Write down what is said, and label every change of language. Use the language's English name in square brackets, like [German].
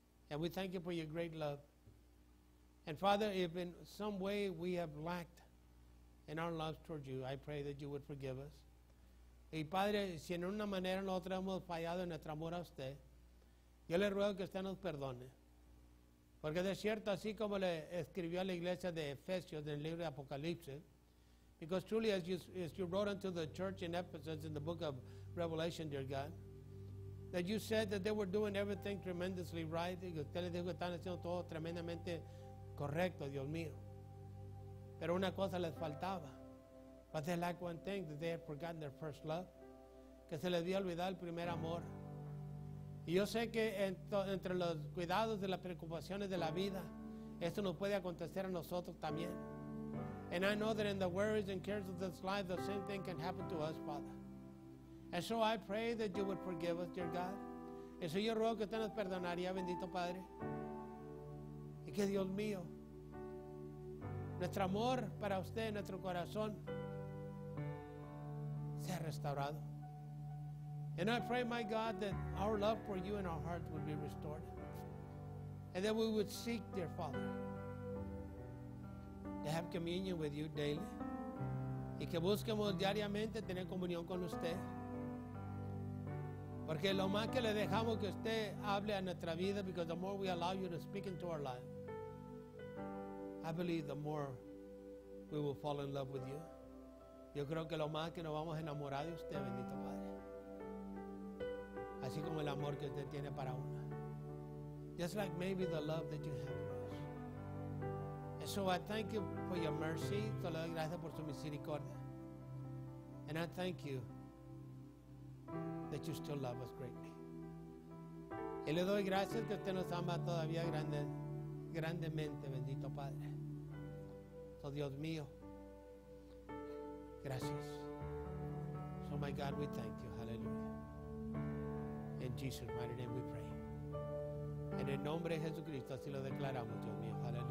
[English] And we thank you for your great love. And Father, if in some way we have lacked in our love towards you, I pray that you would forgive us. [Spanish] Y Padre, si en una manera o en otra hemos fallado en nuestro amor a usted, yo le ruego que usted nos perdone. Porque de cierto, así como le escribió a la iglesia de Efesios en el libro de Apocalipsis, [English] because truly as you wrote unto the church in Ephesus in the book of Revelation, dear God, that you said that they were doing everything tremendously right, [Spanish] y usted le dijo que están haciendo todo tremendamente correcto, Dios mío. Pero una cosa les faltaba. [English] But they lack one thing, that they had forgotten their first love. [Spanish] Que se les había olvidado el primer amor. Y yo sé que entre los cuidados de las preocupaciones de la vida, esto nos puede acontecer a nosotros también. [English] And I know that in the worries and cares of this life, the same thing can happen to us, Father. And so I pray that you would forgive us, dear God. [Spanish] Eso yo ruego que usted nos perdonaría, bendito Padre. Y que Dios mío, nuestro amor para usted, nuestro corazón, sea restaurado. [English] And I pray, my God, that our love for you and our hearts would be restored. And that we would seek, dear Father, to have communion with you daily. [Spanish] Y que busquemos diariamente tener comunión con usted. Porque lo más que le dejamos que usted hable a nuestra vida, [English] because the more we allow you to speak into our life, I believe the more we will fall in love with you. [Spanish] Yo creo que lo más que nos vamos a enamorar de usted, bendito Padre. Así como el amor que usted tiene para una. [English] Just like maybe the love that you have for us. And so I thank you for your mercy. [Spanish] Te lo doy gracias por su misericordia. [English] And I thank you that you still love us greatly. [Spanish] Y le doy gracias que usted nos ama todavía grandemente, bendito Padre. So Dios mío, gracias. [English] So my God, we thank you. Hallelujah. In Jesus' mighty name we pray. [Spanish] En el nombre de Jesucristo, así lo declaramos, Dios mío.